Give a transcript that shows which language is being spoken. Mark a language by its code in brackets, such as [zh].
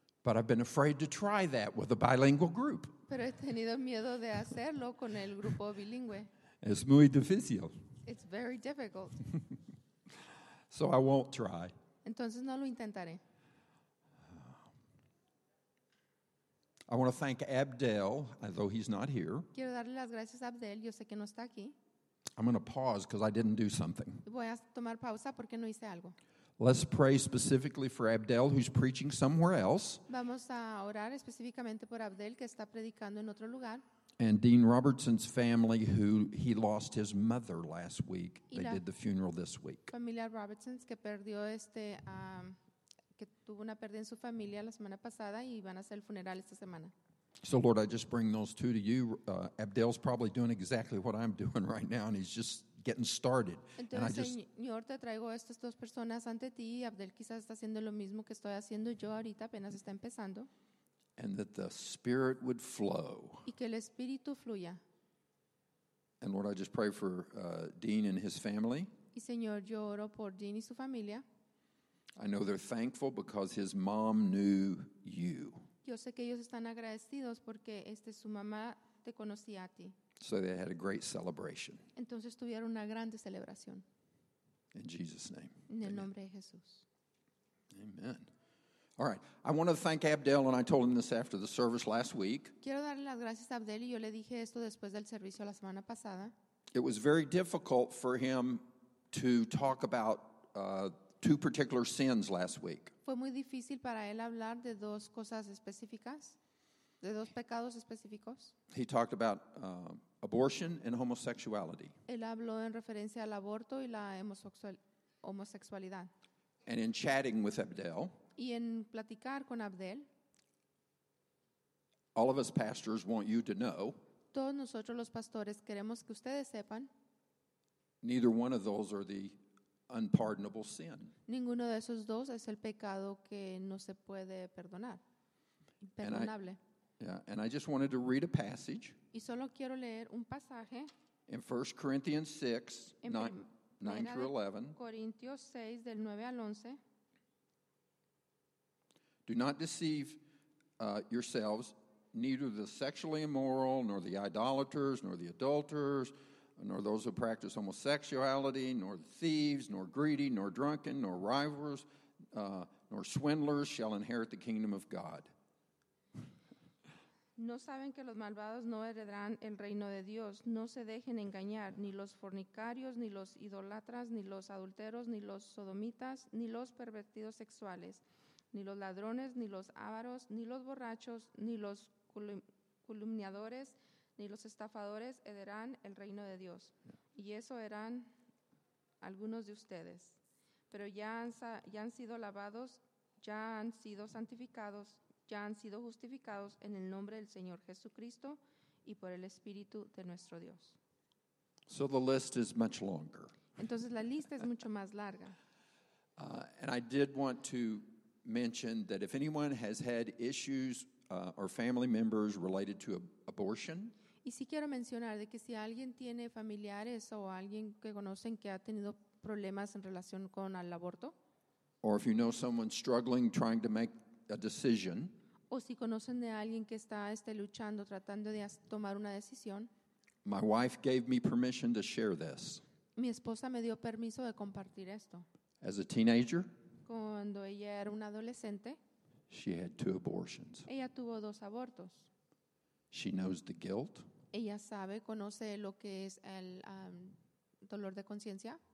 [en] But I've been afraid to try that with a bilingual group. [es] Pero he tenido miedo de hacerlo con el grupo bilingüe. Es muy difícil. [en] It's very difficult. So I won't try. [es] Entonces no lo intentaré. [en] I want to thank Abdel, although he's not here. [es] Quiero darle las gracias a Abdel. Yo sé que no está aquí. [en] I'm going to pause because I didn't do something. [es] Voy a tomar pausa porque no hice algo. [en] Let's pray specifically for Abdel, who's preaching somewhere else. [es] Vamos a orar específicamente por Abdel, que está predicando en otro lugar. [en] And Dean Robertson's family, who he lost his mother last week. They did the funeral this week. [es] Familia Robertson's que perdió que tuvo una pérdida en su familia la semana pasada y van a hacer el funeral esta semana. [en] So Lord, I just bring those two to you. Abdel's probably doing exactly what I'm doing right now, and he's just getting started. [es] Entonces, Señor, te traigo estas dos personas ante ti. Abdel quizás está haciendo lo mismo que estoy haciendo yo ahorita, apenas está empezando. [en] And that the Spirit would flow. [es] Y que el Espíritu fluya. [en] And Lord, I just pray for Dean and his family. [es] Y Señor, yo oro por Dean y su familia. [en] I know they're thankful because his mom knew you. [es] Yo sé que ellos están agradecidos porque su mamá te conocía a ti. [en] So they had a great celebration. [es] Entonces tuvieron una grande celebración. [en] In Jesus' name. [es] En el nombre de Jesús. [en] Amen. All right. I want to thank Abdel, and I told him this after the service last week. [es] Quiero darle las gracias a Abdel y yo le dije esto después del servicio la semana pasada. [en] It was very difficult for him to talk about two particular sins last week. [es] Fue muy difícil para él hablar de dos cosas específicas, de dos pecados específicos. [en] He talked about abortion and homosexuality. [es] Él habló en referencia al aborto y la homosexualidad. [en] And in chatting with Abdel. [es] Y en platicar con Abdel. [en] All of us pastors want you to know. [es] Todos nosotros los pastores queremos que ustedes sepan. [en] Neither one of those are the unpardonable sin. [es] Ninguno de esos dos es el pecado que no se puede perdonar. Imperdonable. [en] And I just wanted to read a passage. [es] Y solo quiero leer un pasaje. [en] In 1 Corinthians 6, 9-11. [es] Corintios 6, del 9 al 11. [en] Do not deceive yourselves, neither the sexually immoral, nor the idolaters, nor the adulterers, nor those who practice homosexuality, nor thieves, nor greedy, nor drunken, nor rivals, nor swindlers shall inherit the kingdom of God. [es] No saben que los malvados no heredarán el reino de Dios. No se dejen engañar, ni los fornicarios, ni los idólatras, ni los adulteros, ni los sodomitas, ni los pervertidos sexuales, ni los ladrones, ni los avaros, ni los borrachos, ni los calumniadores, ni los estafadores heredarán el reino de Dios. Y eso eran algunos de ustedes. Pero ya han sido lavados, ya han sido santificados, ya han sido justificados en el nombre del Señor Jesucristo y por el Espíritu de nuestro Dios. [en] So the list is much longer. [es] Entonces la lista es mucho más larga. [en] And I did want to mention that if anyone has had issues or family members related to abortion. [es] Y sí quiero mencionar de que si alguien tiene familiares o alguien que conocen que ha tenido problemas en relación con el aborto. [en] Or if you know someone struggling trying to make a decision. [es] O si conocen de alguien que está luchando tratando de tomar una decisión. [en] My wife gave me permission to share this. [es] Mi esposa me dio permiso de compartir esto. [en] As a teenager. [es] Cuando ella era una adolescente. [en] She had two abortions. [es] Ella tuvo dos abortos. [en] She knows the guilt. [es] Ella sabe, conoce lo que es el dolor de conciencia.